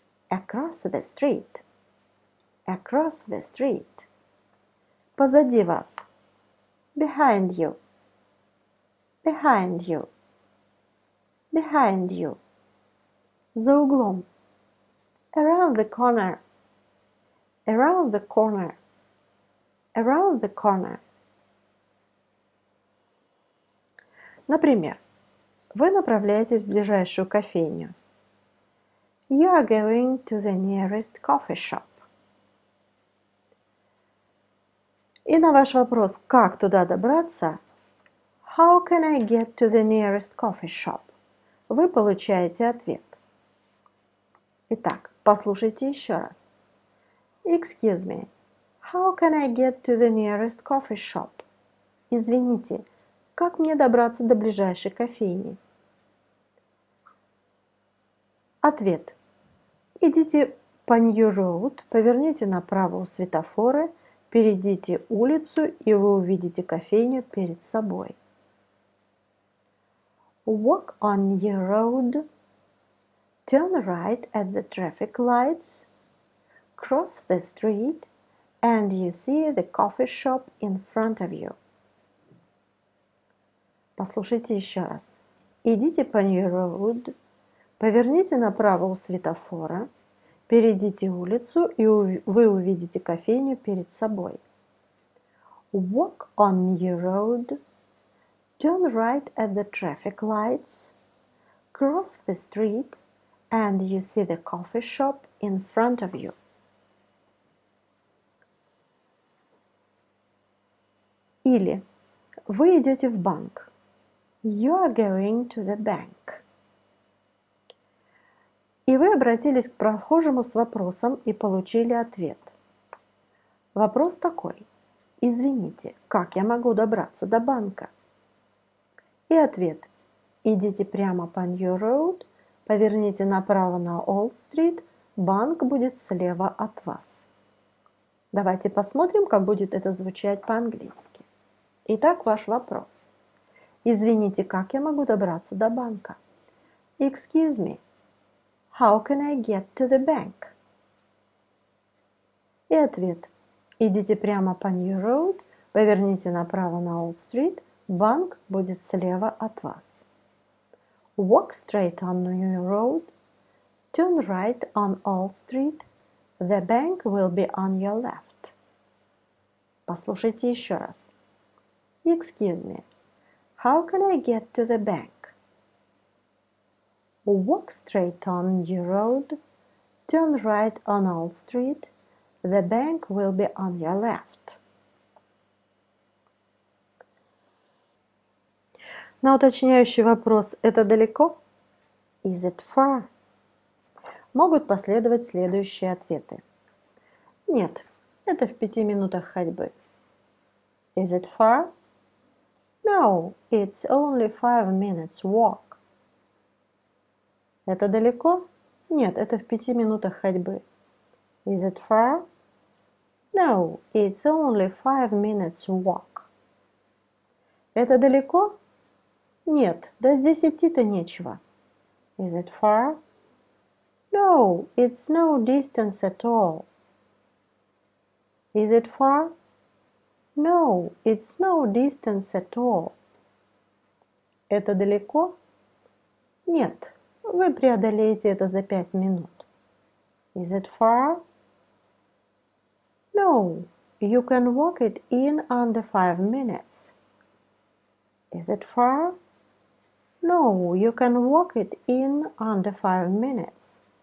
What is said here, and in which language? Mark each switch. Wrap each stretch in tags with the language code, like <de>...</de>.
<en>Across the street. Across the street.</en> <ru>Позади вас.</ru> <en>Behind you. Behind you. Behind you.</en> <ru>За углом.</ru> <en>Around the corner. Around the corner. Around the corner.</en> <ru>Например, вы направляетесь в ближайшую кофейню.</ru> <en>You are going to the nearest coffee shop.</en> <ru>И на ваш вопрос, как туда добраться,</ru> <en>How can I get to the nearest coffee shop?</en> <ru>Вы получаете ответ. Итак, послушайте еще раз.</ru> <en>Excuse me, how can I get to the nearest coffee shop?</en> <ru>Извините, как мне добраться до ближайшей кофейни? Ответ. Идите по New Road, поверните направо у светофора, перейдите улицу, и вы увидите кофейню перед собой.</ru> <en>Walk on New Road. Turn right at the traffic lights. Cross the street, and you see the coffee shop in front of you.</en> <ru>Послушайте еще раз. Идите по New Road, поверните направо у светофора, перейдите улицу, и вы увидите кофейню перед собой.</ru> <en>Walk on New Road, turn right at the traffic lights, cross the street, and you see the coffee shop in front of you.</en> <ru>Или вы идете в банк.</ru> <en>You are going to the bank.</en> <ru>И вы обратились к прохожему с вопросом и получили ответ. Вопрос такой. Извините, как я могу добраться до банка? И ответ. Идите прямо по New Road, поверните направо на Old Street, банк будет слева от вас. Давайте посмотрим, как будет это звучать по-английски. Итак, ваш вопрос. Извините, как я могу добраться до банка?</ru> <en>Excuse me, how can I get to the bank?</en> <ru>И ответ. Идите прямо по New Road, поверните направо на Old Street, банк будет слева от вас.</ru> <en>Walk straight on New Road, turn right on Old Street, the bank will be on your left.</en> <ru>Послушайте еще раз.</ru> <en>Excuse me. How can I get to the bank? Walk straight on New Road, turn right on Old Street, the bank will be on your left.</en> <ru>На уточняющий вопрос «Это далеко?»</ru> <en>Is it far?</en> <ru>Могут последовать следующие ответы. Нет, это в 5 минутах ходьбы.</ru> <en>Is it far? No, it's only 5 minutes walk.</en> <ru>Это далеко? Нет, это в 5 минутах ходьбы.</ru> <en>Is it far? No, it's only 5 minutes walk.</en> <ru>Это далеко? Нет, да здесь идти-то нечего.</ru> <en>Is it far? No, it's no distance at all. Is it far? No, it's no distance at all.</en> <ru>Это далеко? Нет, вы преодолеете это за 5 минут.</ru> <en>Is it far? No, you can walk it in under 5 minutes. Is it far? No, you can walk it in under 5 minutes.</en>